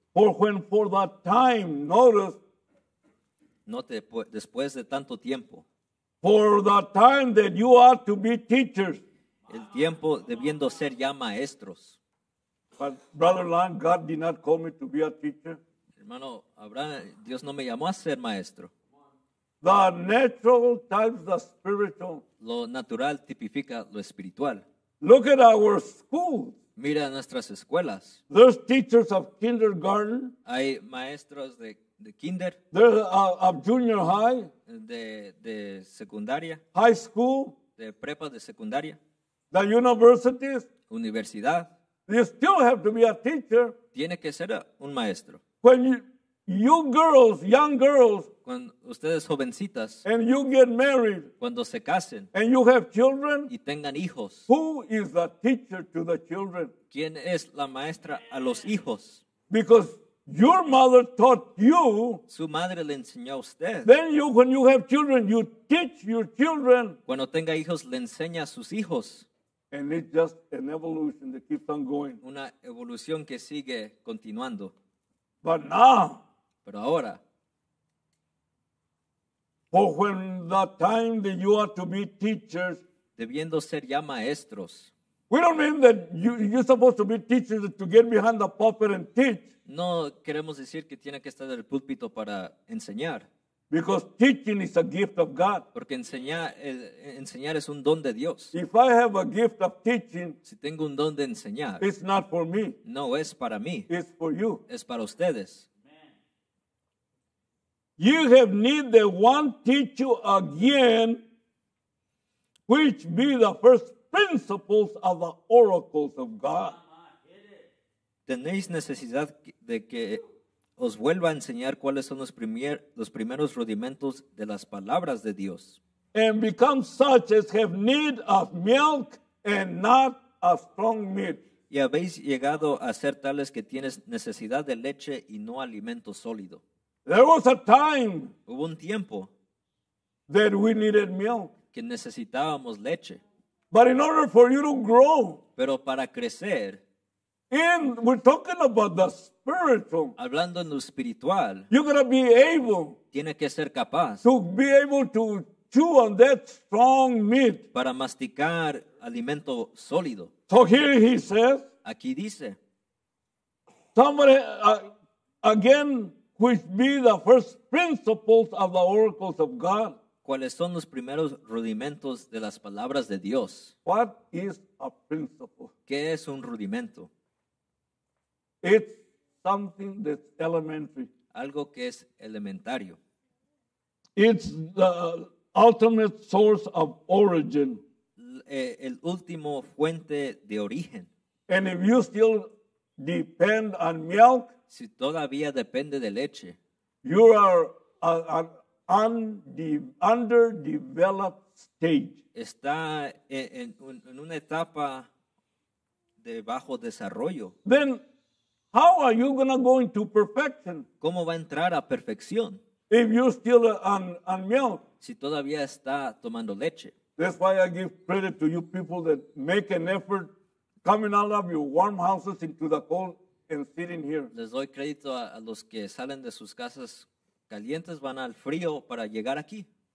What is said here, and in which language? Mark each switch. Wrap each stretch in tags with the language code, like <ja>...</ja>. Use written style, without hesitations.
<en>For when for that time, notice.</en> <es>Note, después de tanto tiempo.</es> <en>For the time that you ought to be teachers.</en> <es>El tiempo debiendo ser ya maestros.</es> <en>But Brother Lan, God did not call me to be a teacher.</en> <es>Hermano Abraham, Dios no me llamó a ser maestro.</es> <en>The natural times the spiritual.</en> <es>Lo natural tipifica lo espiritual.</es> <en>Look at our schools.</en> <es>Mira nuestras escuelas.</es> <en>There's teachers of kindergarten.</en> <es>Hay maestros de kinder.</es> <en>There's of junior high.</en> <es>De secundaria.</es> <en>High school.</en> <es>De prepa de secundaria.</es> <en>The universities.</en> <es>Universidad.</es> <en>You still have to be a teacher.</en> <es>Tiene que ser un maestro.</es> <en>When you girls, young girls.</en> <es>Cuando ustedes jovencitas.</es> <en>And you get married.</en> <es>Cuando se casen.</es> <en>And you have children.</en> <es>Y tengan hijos.</es> <en>Who is the teacher to the children?</en> <es>¿Quién es la maestra a los hijos?</es> <en>Because your mother taught you.</en> <es>Su madre le enseñó a usted.</es> <en>Then you, when you have children, you teach your children.</en> <es>Cuando tenga hijos, le enseña a sus hijos.</es> <en>And it's just an evolution that keeps on going.</en> <es>Una evolución que sigue continuando.</es> <en>But now.</en> <es>Pero ahora.</es> <en>For when the time that you are to be teachers,</en> <es>debiendo ser ya maestros,</es> <en>we don't mean that you're supposed to be teachers to get behind the pulpit and teach.</en> <es>No queremos decir que tiene que estar en el púlpito para enseñar.</es> <en>Because teaching is a gift of God.</en> <es>Porque enseñar es un don de Dios.</es> <en>If I have a gift of teaching,</en> <es>si tengo un don de enseñar,</es> <en>it's not for me.</en> <es>No es para mí.</es> <en>It's for you.</en> <es>Es para ustedes.</es> <en>You have need that one teach you again, which be the first principles of the oracles of God.</en> <es>Tenéis necesidad de que os vuelva a enseñar cuáles son los primeros rudimentos de las palabras de Dios.</es> <en>And become such as have need of milk and not of strong meat.</en> <es>Y habéis llegado a ser tales que tienes necesidad de leche y no alimento sólido.</es> <en>There was a time,</en> <es>hubo un tiempo,</es> <en>that we needed milk,</en> <es>que necesitábamos leche.</es> <en>But in order for you to grow,</en> <es>pero para crecer,</es> <en>And we're talking about the spiritual.</en> <es>Hablando en lo espiritual.</es> <en>You're gonna be able.</en> <es>Tiene que ser capaz.</es> <en>To be able to chew on that strong meat.</en> <es>Para masticar alimento sólido.</es> <en>So here he says.</en> <es>Aquí dice.</es> <en>Somebody again, which be the first principles of the oracles of God.</en> <es>¿Cuáles son los primeros rudimentos de las palabras de Dios?</es> <en>What is a principle?</en> <es>¿Qué es un rudimento?</es> <en>It's something that's elementary.</en> <es>Algo que es elementario.</es> <en>It's the ultimate source of origin.</en> <es>El último fuente de origen.</es> <en>And if you still depend on milk,</en> <es>si todavía depende de leche,</es> <en>you are an underdeveloped stage.</en> <es>Está en una etapa de bajo desarrollo.</es> <en>Then, how are you going to go into perfection?</en> <es>¿Cómo va a entrar a perfección?</es> <en>If you're still on milk.</en> <es>Si todavía está tomando leche.</es> <en>That's why I give credit to you people that make an effort coming out of your warm houses into the cold and sitting here.</en> <es>Les doy crédito a los que salen de sus casas calientes, van al frío para llegar aquí.</es>